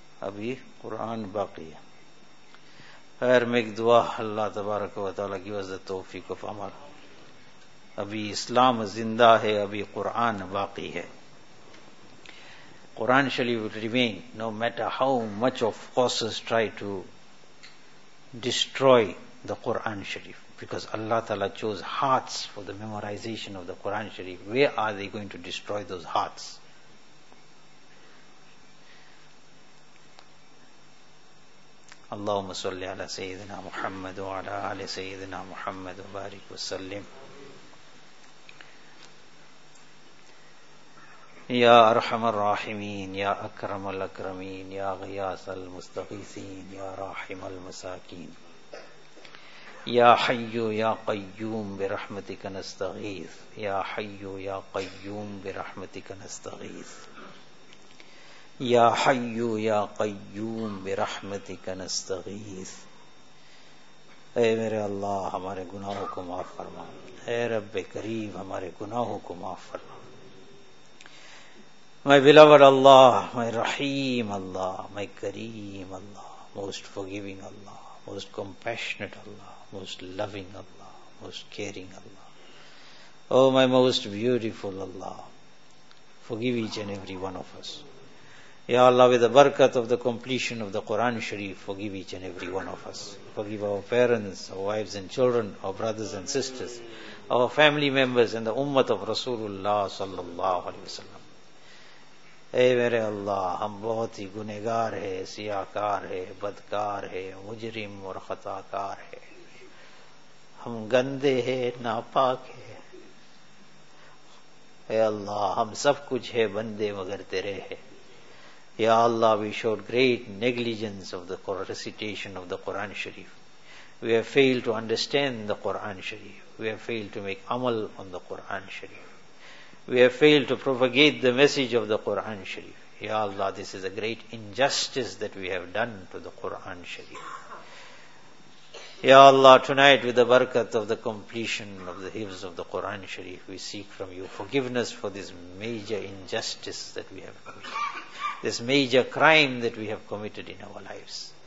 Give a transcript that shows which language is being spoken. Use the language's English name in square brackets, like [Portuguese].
[Urdu] ابھی قرآن باقی ہے. خیر میک دعا اللہ تبارک و تعالیٰ کی وزت توفیق و فمر. ابھی اسلام زندہ ہے, ابھی قرآن باقی ہے. [English] Quran shall remain no matter how much of forces try to destroy the Quran Sharif, because Allah Ta'ala chose hearts for the memorization of the Quran Sharif. Where are they going to destroy those hearts? [Arabic] Allahumma salli ala Sayyidina Muhammad wa ala ali Sayyidina Muhammad wa barik wa sallim. یا ارحم الراحمین, یا اکرم الاکرمین, یا غیاث المستغیثین, یا راحم المساکین, یا حی یا قیوم برحمتک نستغیث, یا حی یا قیوم برحمتک نستغیث, یا حی یا قیوم برحمتک نستغیث. [Urdu] اے میرے اللہ, ہمارے گناہوں کو معاف فرما. اے رب کریم, ہمارے گناہوں کو معاف فرما. [English] My beloved Allah, my Rahim Allah, my Kareem Allah, most forgiving Allah, most compassionate Allah, most loving Allah, most caring Allah. Oh, my most beautiful Allah, forgive each and every one of us. Ya Allah, with the barakat of the completion of the Quran Sharif, forgive each and every one of us. Forgive our parents, our wives and children, our brothers and sisters, our family members and the ummah of Rasulullah sallallahu alayhi wa sallam. [Urdu] اے میرے اللہ, ہم بہت ہی گنہگار ہے, سیاہ کار ہے, بدکار ہے, مجرم اور خطا کار ہے. ہم گندے ہیں, ناپاک ہیں. اے اللہ, ہم سب کچھ ہے بندے مگر تیرے ہے. [English] یا اللہ, we showed great negligence of the recitation of the Quran Sharif. We have failed to understand the Quran Sharif. We have failed to make عمل on the Quran Sharif. We have failed to propagate the message of the Qur'an Sharif. Ya Allah, this is a great injustice that we have done to the Qur'an Sharif. Ya Allah, tonight with the barakat of the completion of the hifz of the Qur'an Sharif, we seek from you forgiveness for this major injustice that we have committed, this major crime that we have committed in our lives.